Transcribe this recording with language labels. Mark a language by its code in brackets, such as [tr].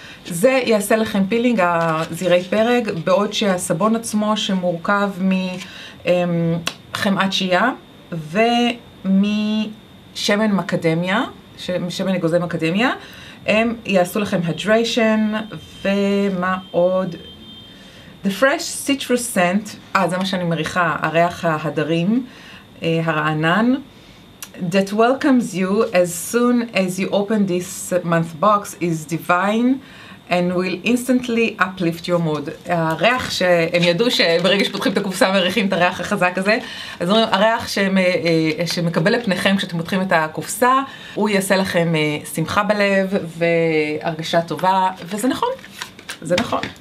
[he] זה יעשה לכם פילינג, הזירי פרג, בעוד שהסבון עצמו שמורכב מחמאת שיעה ומשמן מקדמיה, שמן אגוזי מקדמיה, הם יעשו לכם הידריישן ומה עוד? [en] The fresh citrus scent, [he] זה מה שאני מריחה, הריח ההדרים, הרענן. [en] That welcomes you as soon as you open this month box is divine. And will instantly uplift your mood. [he] הריח שהם ידעו שברגע שפותחים את הקופסה מריחים את הריח החזק הזה, אז אומרים, הריח שמקבל לפניכם כשאתם פותחים את הקופסה, הוא יעשה לכם שמחה בלב והרגשה טובה, וזה נכון. זה נכון.